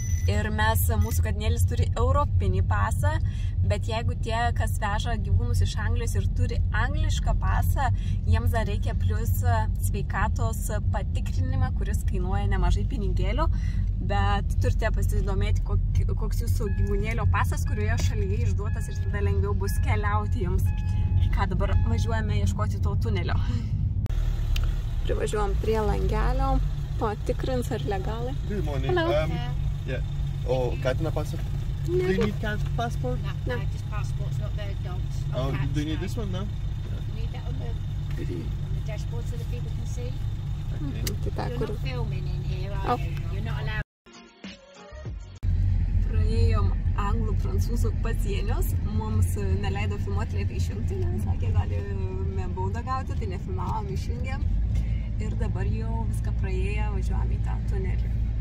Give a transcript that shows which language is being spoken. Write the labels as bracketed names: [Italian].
[Lithuanian] Ir mes, mūsų katinėlis turi europinį pasą, bet jeigu tie, kas veža gyvūnus iš Anglijos ir turi anglišką pasą, jiems dar reikia plius sveikatos patikrinimą, kuris kainuoja nemažai pinigėlių, bet turite pasidomėti, koks jūsų gyvūnėlio pasas, kurioje šalyje išduotas ir tada lengviau bus keliauti jums. Ką dabar važiuojame ieškoti to tunelio. Privažiuojam prie langelio, patikrins ar legalai. [English] Good morning. Hello. Yeah. Oh, katina passport? No. Do you need cat passport? No. No, just passports, not their dogs. Oh, do you need this one now? Yeah. Need that on the dashboard so the people can see. Okay. You're not filming in here, are you? Oh. You're not allowed. [Lithuanian] Praėjom anglų-prancūzų pasienios, mums neleido filmuoti, liepia išjungti, nes sakė, galime baudą gauti, tai nefilmavom, išjungėm. Ir dabar jau viską praėję, važiuojam į tą tunelį.